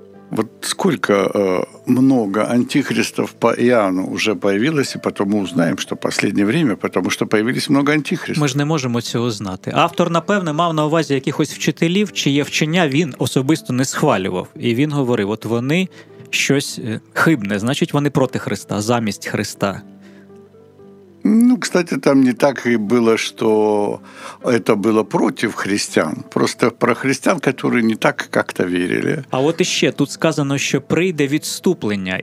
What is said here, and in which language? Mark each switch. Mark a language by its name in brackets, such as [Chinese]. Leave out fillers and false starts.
[Russian] Вот сколько много антихристов по Иоанну уже появилось, и потом мы узнаем, что в последнее время, потому что появились много антихристов. Мы же не можем этого знать. [Ukrainian] Автор, напевно, мав на увазі якихось вчителів, чиє вчення він особисто не схвалював. І він говорив, от вони щось хибне, значить вони проти Христа, замість Христа. [Russian] Ну, кстати, там не так и было, что это было против христиан. Просто про христиан, которые не так как-то верили. А вот еще тут сказано, что [Ukrainian] прийде відступлення.